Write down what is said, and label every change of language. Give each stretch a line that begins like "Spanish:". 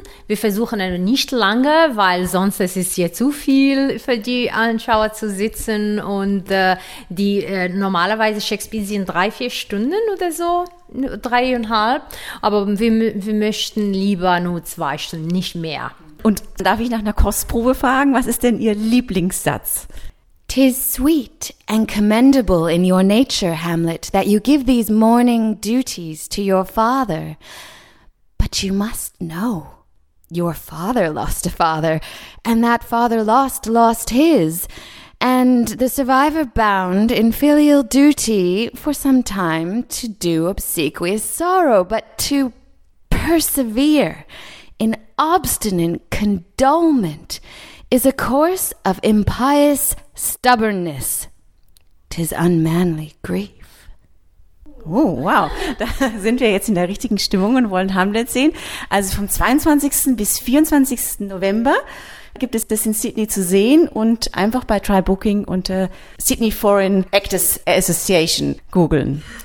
German: Wir versuchen nicht lange, weil sonst ist es hier zu viel für die Anschauer zu sitzen. Und normalerweise Shakespeare sind 3-4 Stunden oder so, 3,5. Aber wir möchten lieber nur 2 Stunden, nicht mehr. Und darf ich nach einer Kostprobe fragen? Was ist denn Ihr Lieblingssatz?
English: "'Tis sweet and commendable in your nature, Hamlet, that you give these morning duties to your father. But you must know, your father lost a father, and that father lost his, and the survivor bound in filial duty for some time to do obsequious sorrow, but to persevere in obstinate condolement is a course of impious stubbornness. 'Tis unmanly grief." Oh, wow.
German: Da sind wir jetzt in der richtigen Stimmung und wollen Hamlet sehen. Also vom 22. bis 24. November gibt es das in Sydney zu sehen und einfach bei Tri-Booking unter Sydney Foreign Actors Association googeln.